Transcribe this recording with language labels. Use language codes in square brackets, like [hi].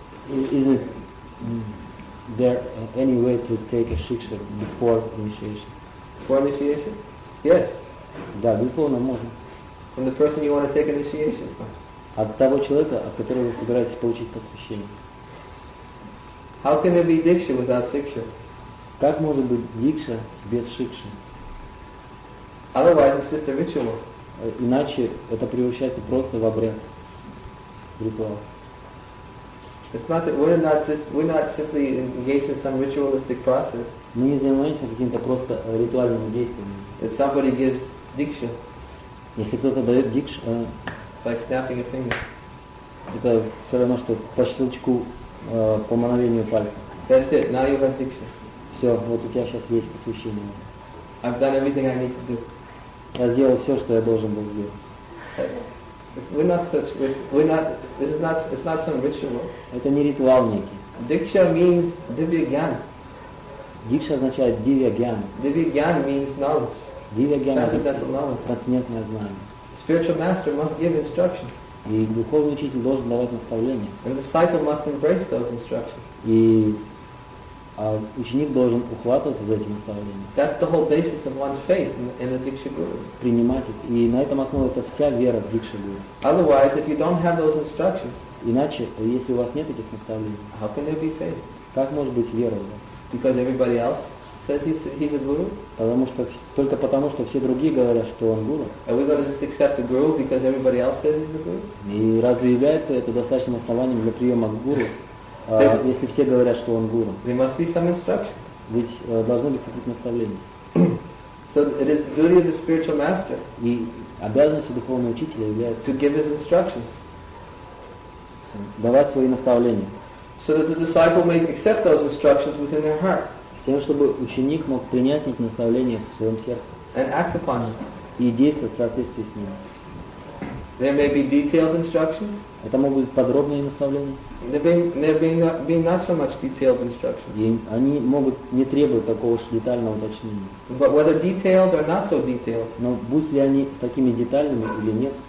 [en] Is it there any way to take a shiksha before initiation? Before initiation? Yes. [ru] Да, безусловно, можно. [en] From the person you want to take initiation from? [ru] От того человека, от которого вы собираетесь получить посвящение. [en] How can there be diksha without siksha? [ru] Как может быть дикша без шикши? [en] Otherwise, it's just a ritual. [ru] Иначе это превращается просто в обряд, в ритуал. [en] It's not that we're not simply engaged in some ritualistic process. [ru] Мы не занимаемся каким-то просто ритуальным действием. [en] That somebody gives diksha. [ru] Если кто-то дает дикшу, [en] it's like snapping a finger. [ru] Это все равно что по щелчку. По мановению пальца. [en] That's it. Now you have diksha. [ru] Все, вот у тебя сейчас есть посвящение. [en] I've done everything I need to do. [ru] Я сделал все, что я должен был сделать. [en] It's not some ritual. [ru] Это не ритуал некий. [en] Diksha means divya gyan. [ru] Дикша означает divya gyan. [en] Divya gyan means knowledge. [hi] Divya gyan [en] transcendental knowledge. [ru] Трансцендентное знание. [en] Spiritual master must give instructions. [ru] И духовный учитель должен давать наставления. [en] And the disciple must embrace those instructions. [ru] И ученик должен ухватываться за эти наставления. [en] That's the whole basis of one's faith in the Diksha Guru. [ru] Принимать их. И на этом основывается вся вера в Диксу Гуру. [en] Otherwise, if you don't have those instructions, [ru] иначе, если у вас нет этих наставлений, [en] how can there be faith? [ru] Как может быть вера? [en] Because everybody else says he's a guru? [ru] Только потому, что все другие говорят, что он гуру. [en] Are we going to just accept the guru because everybody else says he's a guru? [ru] И разве является это достаточным основанием для приема гуру, если все говорят, что он гуру? [en] There must be some instruction. [ru] Ведь должны быть какие-то наставления. [en] So it is the duty of the spiritual master. [ru] И обязанностью духовного учителя является [en] to give his instructions. [ru] Давать свои наставления. [en] So that the disciple may accept those instructions within their heart. [ru] Тем, чтобы ученик мог принять эти наставления в своем сердце. [en] And act upon it. [ru] И действовать в соответствии с ними. [en] There may be detailed instructions. [ru] Это могут быть подробные наставления. [en] There may not be so much detailed instructions. [ru] И они могут не требовать такого уж детального уточнения. [en] But whether detailed or not so detailed. [ru] Но будь ли они такими детальными или нет.